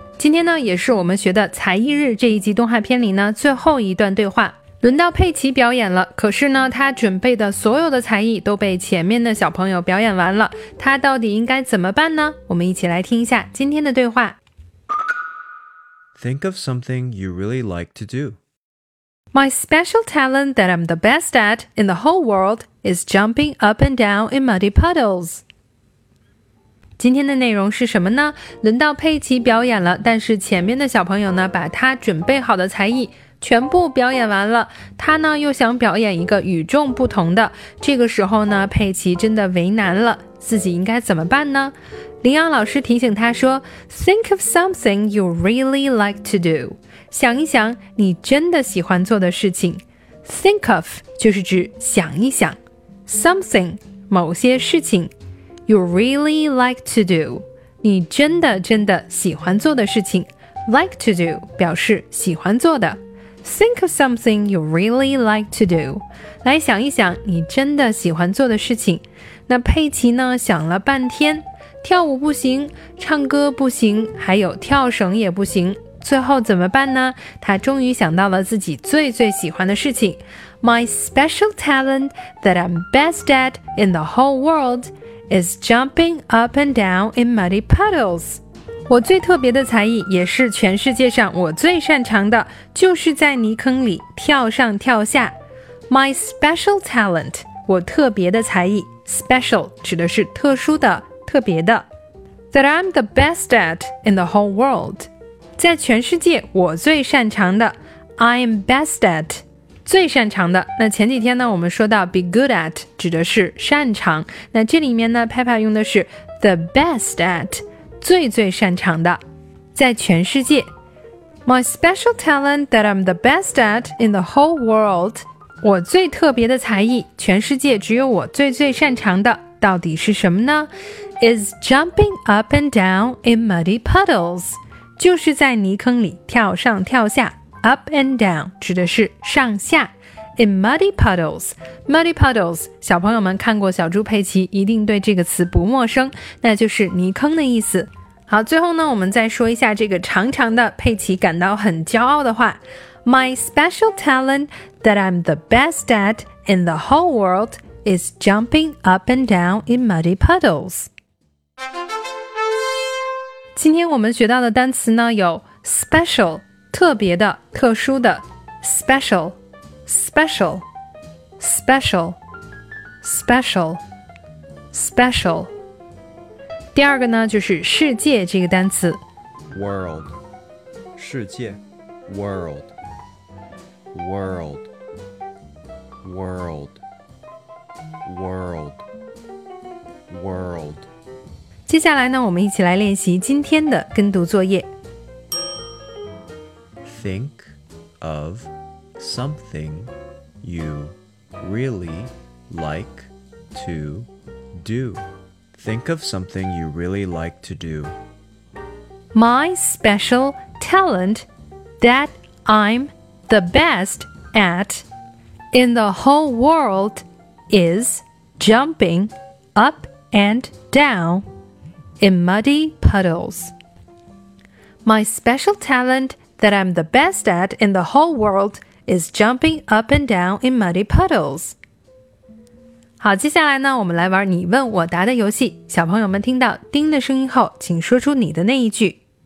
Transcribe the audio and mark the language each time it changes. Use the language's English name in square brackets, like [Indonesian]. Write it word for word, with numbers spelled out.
[Chinese] 今天呢，也是我们学的才艺日这一集动画片里呢，最后一段对话。轮到佩奇表演了，可是呢，他准备的所有的才艺都被前面的小朋友表演完了，他到底应该怎么办呢？我们一起来听一下今天的对话。 [English] Think of something you really like to do. My special talent that I'm the best at in the whole world is jumping up and down in muddy puddles. [Chinese] 今天的内容是什么呢？轮到佩奇表演了，但是前面的小朋友呢，把他准备好的才艺全部表演完了，他呢又想表演一个与众不同的。这个时候呢，佩奇真的为难了，自己应该怎么办呢？林阳老师提醒他说 [English] Think of something you really like to do. [Chinese] 想一想你真的喜欢做的事情。 [English] Think of [Chinese] 就是指想一想， Something 某些事情， [English] You really like to do [Chinese] 你真的真的喜欢做的事情。 [English] Like to do [Chinese] 表示喜欢做的。 [English] Think of something you really like to do. [Chinese] 来想一想你真的喜欢做的事情。那佩奇呢想了半天，跳舞不行，唱歌不行，还有跳绳也不行，最后怎么办呢？他终于想到了自己最最喜欢的事情。 [English] My special talent that I'm best at in the whole world is jumping up and down in muddy puddles. [Chinese] 我最特别的才艺，也是全世界上我最擅长的，就是在泥坑里跳上跳下。 [English] My special talent [Chinese] 我特别的才艺， special 指的是特殊的特别的。 [English] That I'm the best at in the whole world. [Chinese] 在全世界我最擅长的。 [English] I'm best at. [Chinese] 最擅长的。那前几天呢，我们说到 [English] be good at [Chinese] 指的是擅长。那这里面呢， Peppa 用的是 [English] the best at. [Chinese] 最最擅长的。在全世界。 [English] My special talent that I'm the best at in the whole world. [Chinese] 我最特别的才艺，全世界只有我最最擅长的。到底是什么呢？ [English] Is jumping up and down in muddy puddles. [Chinese] 就是在泥坑里跳上跳下。 Up and down 指的是上下。 [English] In muddy puddles. Muddy puddles [Chinese] 小朋友们看过小猪佩奇一定对这个词不陌生，那就是泥坑的意思。好，最后呢，我们再说一下这个长长的佩奇感到很骄傲的话。 [English] My special talent that I'm the best at in the whole world is jumping up and down in muddy puddles. [Chinese] 今天我们学到的单词呢，有 special 特别的特殊的， [English] special special special special special。 [Chinese] 第二个呢，就是世界这个单词 [English] world 世界 world world world world world。 [Chinese] 接下来呢，我们一起来练习今天的跟读作业。 [English] Think of something you really like to do. Think of something you really like to do. My special talent that I'm the best at in the whole world is jumping up and down. In muddy puddles. My special talent that I'm the best at in the whole world is jumping up and down in muddy puddles. [Chinese] 好，接下来呢，我们来玩你问我答的游戏。小朋友们听到叮的声音后，请说出你的那一句。